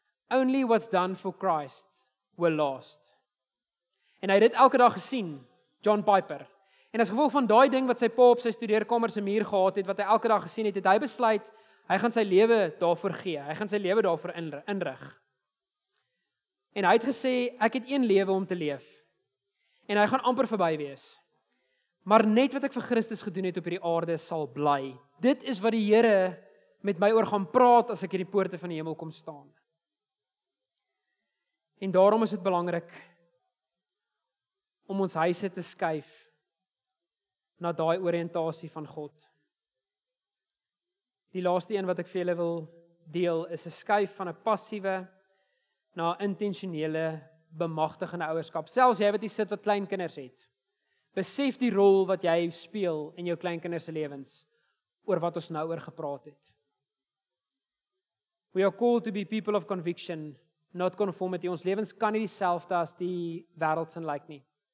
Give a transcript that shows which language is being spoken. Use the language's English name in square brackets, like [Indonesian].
[English] Only what's done for Christ will last. [Afrikaans] En hy het dit elke dag gesien, John Piper. En as gevolg van daai ding wat sy pa op sy studeerkamer se muur gehad het, wat hy elke dag gesien het, het hy besluit, hy gaan sy lewe daarvoor gee. Hy gaan sy lewe daarvoor inrig. En hy het gesê, ek het een lewe om te leef. En hy gaan amper verby wees. Maar net wat ek vir Christus gedoen het op hierdie aarde sal bly. Dit is wat die Here met my oor gaan praat as ek hierdie poorte van die hemel kom staan. En daarom is dit belangrik om ons huise te skuif na daai oriëntasie van God. Die laaste een wat ek vir julle wil deel, is 'n skuif van 'n passiewe na 'n intentionele bemagtigende ouerskap. Selfs jy wat hier sit wat klein kinders het, besef die rol wat jy speel in jou kleinkinders se lewens, oor wat ons nou oor gepraat het. [English] We are called to be people of conviction, not conformity. [Afrikaans] Ons lewens kan nie dieselfde as die wêreld se lyk nie.